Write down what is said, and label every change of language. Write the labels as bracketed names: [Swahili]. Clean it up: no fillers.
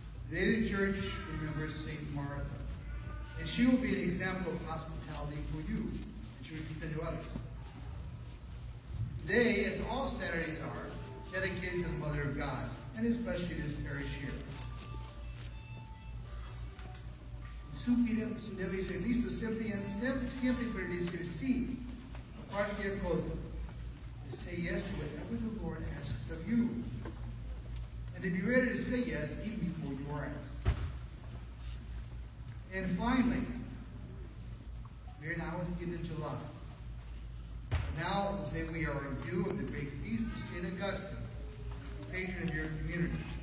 [English] Today the church remembers St. Martha, and she will be an example of hospitality for you that you extend to others. Today, as all Saturdays are, dedicated to the Mother of God, and especially this parish here. And [Spanish] debe ser listo siempre para decir sí a cualquier cosa. [English] Say yes to whatever the Lord asks of you. And to be ready to say yes even before you are asked. And finally, we are now at the beginning of July. Now, say we are in view of the great feast of St. Augustine, patron of your community.